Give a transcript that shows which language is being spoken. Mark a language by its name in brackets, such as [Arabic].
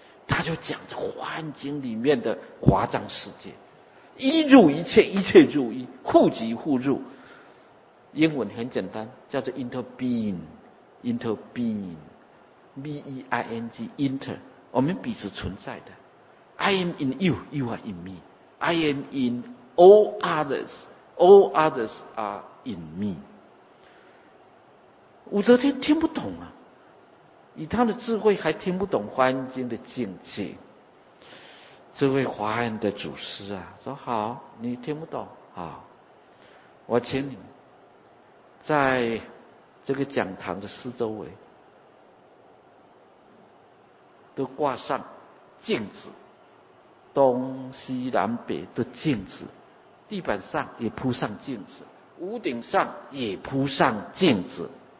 [Chinese] 他就讲这幻境里面的华藏世界，一入一切，一切入一，互即互入。英文很简单，叫做 interbeing，interbeing，B-E-I-N-G，inter， 我们彼此存在的。 [English] I am in you, you are in me. I am in all others are in me. [Chinese] 武则天听不懂啊，以他的智慧还听不懂《华严经》的境界。这位华严的祖师啊，说好，你听不懂啊，我请你在这个讲堂的四周围都挂上镜子，东西南北的镜子，地板上也铺上镜子，屋顶上也铺上镜子，